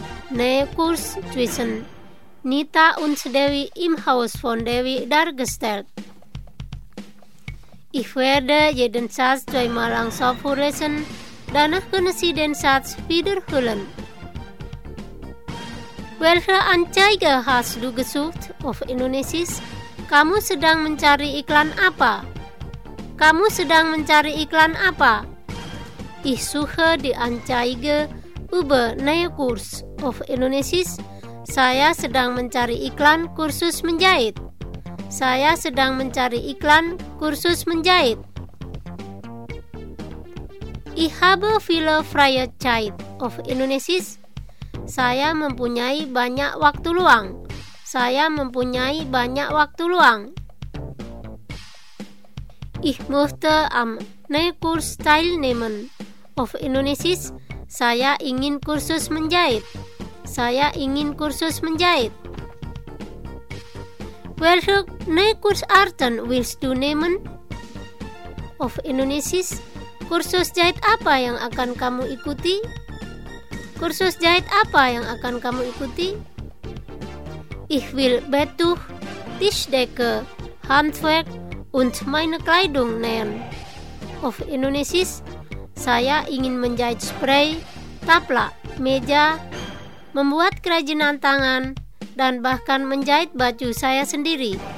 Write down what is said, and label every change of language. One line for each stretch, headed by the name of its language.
German: Nähe Kurs zwischen Nita und Dewi im Haus von Dewi dargestellt. Ich werde jeden Satz zweimal langsam vorlesen, danach können Sie den Satz wiederholen. Welche Anzeige hast du gesucht auf Indonesisch?
Indonesian: Kamu sedang mencari iklan apa? Kamu sedang mencari iklan apa?
German: Ich suche die Anzeige über neue Kurs auf Indonesisch.
Indonesian: Saya sedang mencari iklan kursus menjahit. Saya sedang mencari iklan kursus menjahit.
German: Ich habe viele freie Zeit auf Indonesisch.
Indonesian: Saya mempunyai banyak waktu luang. Saya mempunyai banyak waktu luang.
German: Ich möchte am Nähkurs teilnehmen auf Indonesisch.
Indonesian: Saya ingin kursus menjahit. Saya ingin kursus menjahit.
German: Welche Nähkursarten willst du nehmen? Auf Indonesisch.
Indonesian: Kursus jahit apa yang akan kamu ikuti? Kursus jahit apa yang akan kamu ikuti?
German: Ich will Betuch, Tischdecke, Handwerk und meine Kleidung nähen. Auf Indonesisch.
Indonesian: Saya ingin menjahit spray, tapla, meja, membuat kerajinan tangan, dan bahkan menjahit baju saya sendiri.